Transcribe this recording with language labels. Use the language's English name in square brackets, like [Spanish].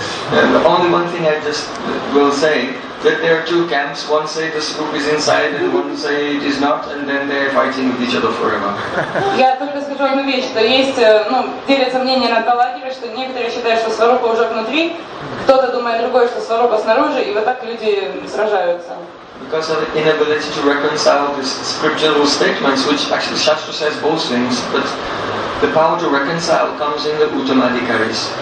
[English] And only one thing I just will say, that there are two camps. One say this group is inside, and one say it is not, and then they are fighting with each other forever. [Russian] Я только скажу одну вещь, что есть, ну, делятся мнения на два лагеря, что некоторые считают, что сварупа уже внутри, кто-то думает другое, что сварупа снаружи, и вот так люди сражаются. [English] Because of the inability to reconcile these scriptural statements, which actually Shastra says both things, but the power to reconcile comes in the Uttama Adhikaris.